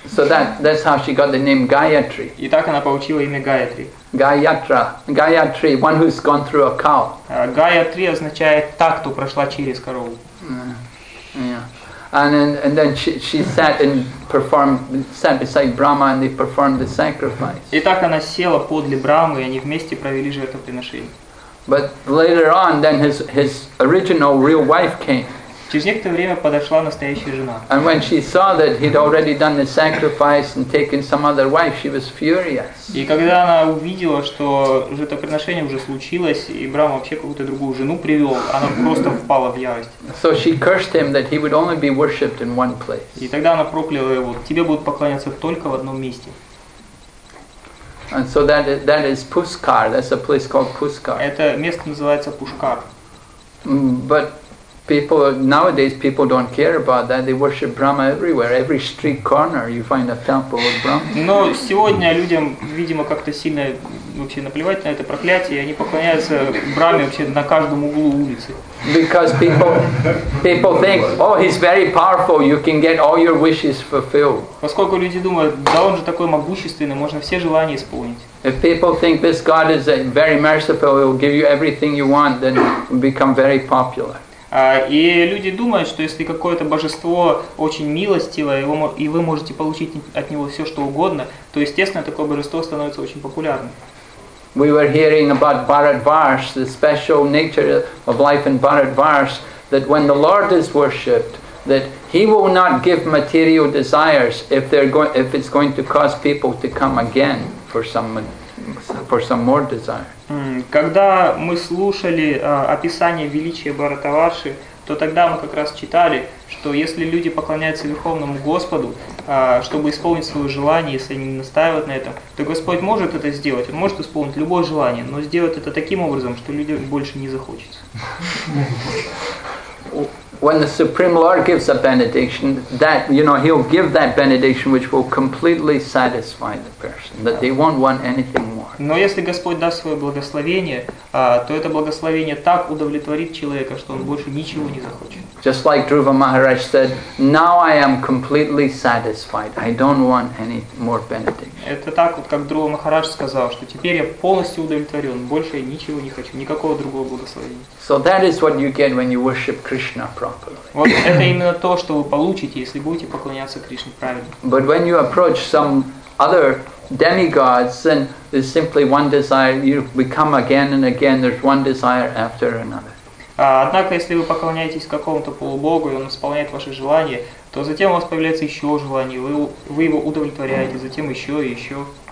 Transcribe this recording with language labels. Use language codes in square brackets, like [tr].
[en] So that's how she got the name Gayatri. [ru] И так она получила имя Гаятри. [en] Gayatri, one who's gone through a cow. [ru] Гаятри означает та, кто прошла через корову. [en] Yeah. And then she sat and sat beside Brahma and they performed the sacrifice. [ru] И так она села подле Брахмы, и они вместе провели жертвоприношение. [en] But later on, then his original real wife came. [ru] Через некоторое время подошла настоящая жена. [en] And when she saw that he'd already done the sacrifice and taken some other wife, she was furious. [ru] И когда она увидела, что жертвоприношение уже случилось и Брахма вообще какую-то другую жену привел, она просто впала в ярость. [en] So she cursed him that he would only be worshipped in one place. [ru] И тогда она прокляла его: тебе будут поклоняться только в одном месте. [en] And so that is Pushkar. That's a place called Pushkar. [ru] Это место называется Пушкар. [en] But people nowadays people don't care about that. They worship Brahma everywhere. Every street corner you find a temple of Brahma. [ru] Но сегодня людям, видимо, как-то сильно вообще наплевать на это проклятие, они поклоняются Брахме вообще на каждом углу улицы. [en] Because people think, oh, he's very powerful. You can get all your wishes fulfilled. [ru] Поскольку люди думают, да, он же такой могущественный, можно все желания исполнить. [en] If people think this God is very merciful, he will give you everything you want, then become very popular. [ru] И люди думают, что если какое-то божество очень милостивое, и вы можете получить от него все, что угодно, то, естественно, такое божество становится очень популярным. [en] We were hearing about Bharatvarsh, the special nature of life in Bharatvarsh, that when the Lord is worshipped, that he will not give material desires if it's going to cause people to come again for some more desire. [ru] Когда мы слушали описание величия Бхартаварши, то тогда мы как раз читали, что если люди поклоняются Верховному Господу, чтобы исполнить свое желание, если они настаивают на этом, то Господь может это сделать, Он может исполнить любое желание, но сделать это таким образом, что людям больше не захочется. [en] When the Supreme Lord gives a benediction, that, you know, he'll give that benediction which will completely satisfy the person, that they won't want anything more. [ru] Но если Господь даст свое благословение, то это благословение так удовлетворит человека, что он больше ничего не захочет. [en] Just like Dhruva Maharaj said, now I am completely satisfied. I don't want any more benediction. [ru] Это так вот, как Друва Махарадж сказал, что теперь я полностью удовлетворен, больше я ничего не хочу, никакого другого благословения. [en] So that is what you get when you worship Krishna properly. [ru] Вот это именно то, что вы получите, если будете поклоняться Кришне правильно. [en] But when you approach some other demigods, then there's simply one desire. You become again and again. There's one desire after another. [ru] Однако, если вы поклоняетесь какому-то полубогу и он исполняет ваши желания, то затем у вас появляется еще желание. Вы его удовлетворяете, затем еще и еще.